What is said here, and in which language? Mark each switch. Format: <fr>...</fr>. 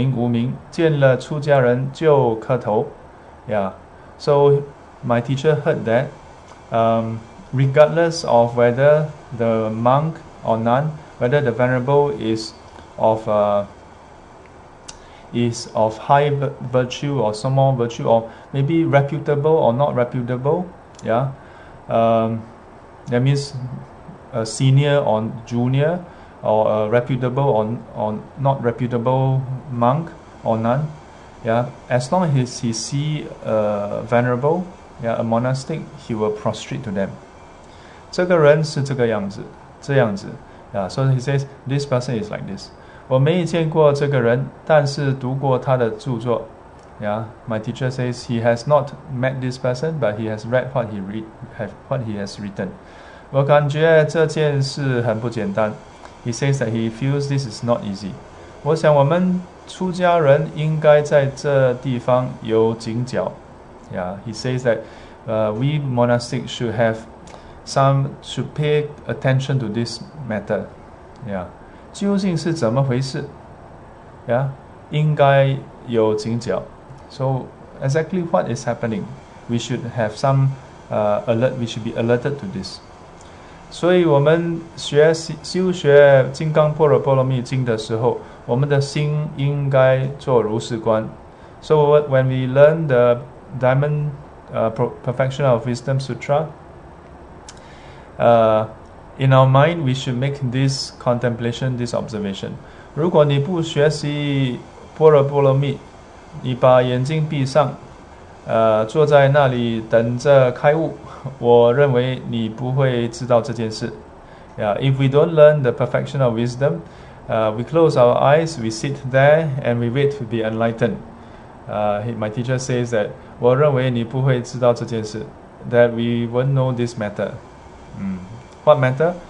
<zh>我还听说他不分别这是大德小德有名无名见了出家人就磕头. Yeah.</zh> <en>So my teacher heard that regardless of whether the monk or nun, whether the venerable is of high virtue or small virtue, or maybe reputable or not reputable, yeah, that means a senior or junior, or a reputable or not reputable monk or nun, yeah, as long as he see a venerable, yeah, a monastic, he will prostrate to them.</en> <zh>这个人是这个样子, yeah.</zh> <en>So he says this person is like this.</en> <zh>我没见过这个人，但是读过他的著作, yeah.</zh> <en>My teacher says he has not met this person, but he has read what he has written.</en> <zh>我感觉这件事很不简单,</zh> <en>He says that he feels this is not easy.</en> <zh>我想我们出家人应该在这地方有警角。</zh> <en>Yeah, he says that we monastics should have some, should pay attention to this matter.</en> <zh>Yeah, 究竟是怎么回事?Yeah, 应该有警角。</zh> <en>So exactly what is happening? We should have some alert, we should be alerted to this.</en> <zh>所以我们学修学金刚般若波罗蜜经的时候，我们的心应该做如是观。</zh> <en>So when we learn the Diamond Perfection of Wisdom Sutra, in our mind we should make this contemplation, this observation.</en> <zh>如果你不学习般若波罗蜜，你把眼睛闭上，坐在那里等着开悟。我认为你不会知道这件事。</zh> <en>Yeah, if we don't learn the perfection of wisdom, we close our eyes, we sit there, and we wait to be enlightened. My teacher says that,</en> <zh>我认为你不会知道这件事,</zh> <en>that we won't know this matter. What matter?</en>